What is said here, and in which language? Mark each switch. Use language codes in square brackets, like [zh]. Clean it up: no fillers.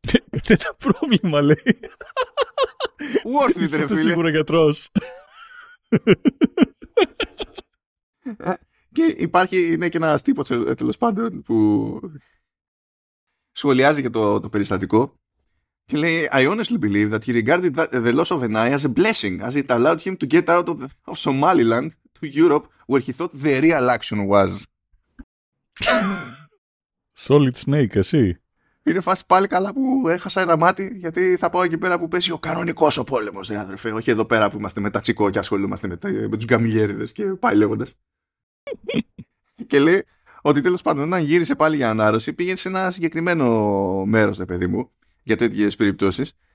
[el] Δεν ήταν πρόβλημα, λέει. [en] Worth it, [el] ρε φίλε. Είσαι σίγουρα γιατρός. Και υπάρχει, είναι και ένας τύπος, τέλος πάντων, που σχολιάζει και το περιστατικό. Και λέει, [en] I honestly believe that he regarded the loss of an eye as a blessing, as it allowed him to get out of Somaliland to Europe, where he thought the real action was. [el] Solid snake, εσύ. Είναι φάση πάλι καλά που έχασα ένα μάτι, γιατί θα πάω εκεί πέρα που πέσει ο κανονικός ο πόλεμος, ρε αδερφέ. Όχι εδώ πέρα που είμαστε με τα τσικό και ασχολούμαστε με τους γκαμιλιέριδες και πάει λέγοντας. Και λέει ότι τέλος πάντων, όταν γύρισε πάλι για ανάρρωση, πήγαινε σε ένα συγκεκριμένο μέρος, ρε παιδί μου, για τέτοιες περιπτώσεις.